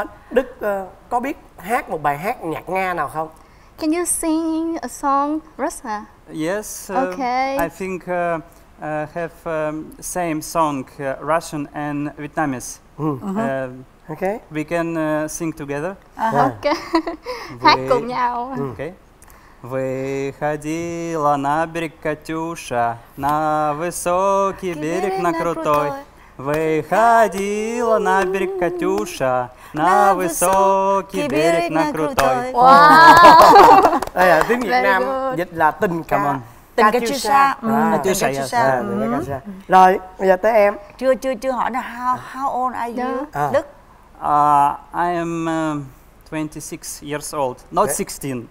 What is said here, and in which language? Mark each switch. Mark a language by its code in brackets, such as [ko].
[vi] Đức có biết hát một bài hát nhạc Nga nào không? [en] Can you sing a song Russia? Yes. Okay. I think have same song Russian and Vietnamese. Okay. We can sing together. [vi] Okay. Hát cùng nhau. [en] Okay. [ru] Выходила на берег Катюша, на высокий берег на крутой. Выходила на берег Катюша, на высокий берег на крутой. [en] Wow. [vi] Tiếng Việt Nam dịch là tình ca. Tình Katyusha. Katyusha. Rồi, bây giờ tới em. Chưa hỏi nữa. [en] How old are you? Đức. I am 26 years old. Not 16.